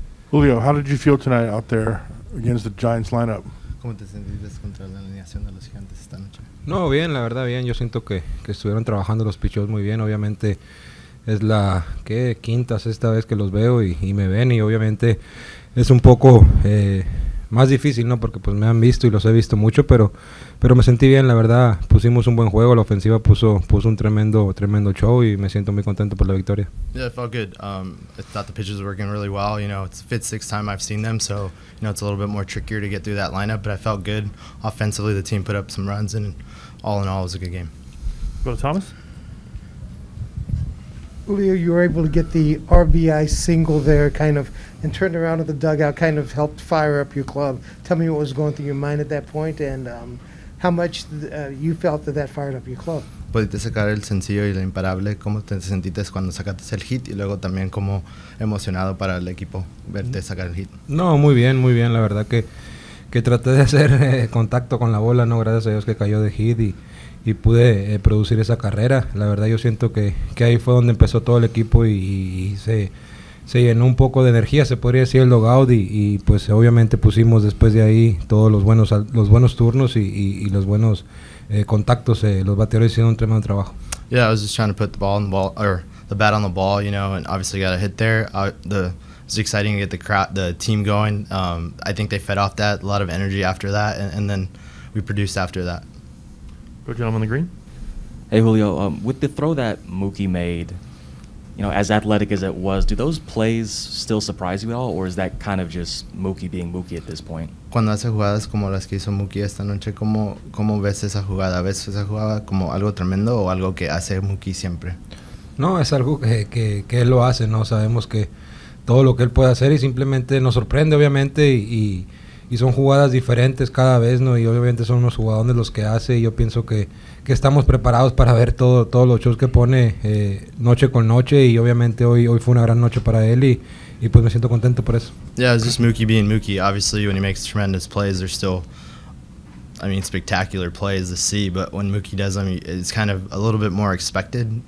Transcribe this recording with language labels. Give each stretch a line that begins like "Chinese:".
English: Julio, how did you feel tonight out there against the Giants lineup?
Spanish: ¿Cómo te sentiste contra la alineación de los Gigantes esta noche? No, bien, la verdad, bien. Yo siento que estuvieron trabajando los pitchers muy bien. Obviamente es la quinta, sexta vez que los veo y me ven. Y obviamente es un poco más difícil, ¿no? Porque pues me han visto y los he visto mucho, pero me sentí bien, la verdad. Pusimos un buen juego, la ofensiva puso un tremendo show y me siento muy contento por la victoria.
English: Yeah, it felt good. I thought the pitchers were working really well. You know, it's the fifth, sixth time I've seen them, so you know it's a little bit more trickier to get through that lineup. But I felt good offensively. The team put up some runs, and all in all, it was a good game. Go to Thomas. Julio, you were able to get the RBI single there, kind of, and turned around at the dugout, kind of helped fire up your club. Tell me what was going through your mind at that point, and how much you felt that fired up your club.
Spanish: Pudiste sacar el sencillo y el imparable. ¿Cómo te sentiste cuando sacaste el hit? Y luego también, ¿cómo emocionado para el equipo verte sacar el hit? No, muy bien, la verdad que traté de hacer contacto con la bola, ¿no? Gracias a Dios que cayó de hit y pude producir esa carrera. La verdad yo siento que ahí fue donde empezó todo el equipo y se llenó un poco de energía, se podría decir, el dugout y pues obviamente pusimos después de ahí todos los buenos turnos y los buenos contactos. Los bateadores hicieron un tremendo trabajo.
English: Yeah, I was just trying to put the bat on the ball, you know, and obviously got a hit there. It was exciting to get the team going. I think they fed off that, a lot of energy after that, and then we produced after that. Good job on the green. Hey Julio, with the throw that Mookie made, you know, as athletic as it was, do those plays still surprise you at all, or is that kind of just Mookie being Mookie at this point?
Spanish: Cuando hace jugadas como las que hizo Mookie esta noche, ¿cómo ves esa jugada? ¿Ves esa jugada como algo tremendo o algo que hace Mookie siempre? No, es algo que él lo hace, ¿no? Sabemos que todo lo que él puede hacer y simplemente nos sorprende, obviamente, y son jugadas diferentes cada vez, ¿no? Y obviamente son unos jugadores los que hace y yo pienso que estamos preparados para ver todos los shows que pone noche con noche y obviamente hoy fue una gran noche para él y pues me siento contento por eso.
English: Yeah, it's just Mookie being Mookie. Obviously, when he makes tremendous plays, they're still, I mean, spectacular plays to see, but when Mookie does them, it's kind of a little bit more expected.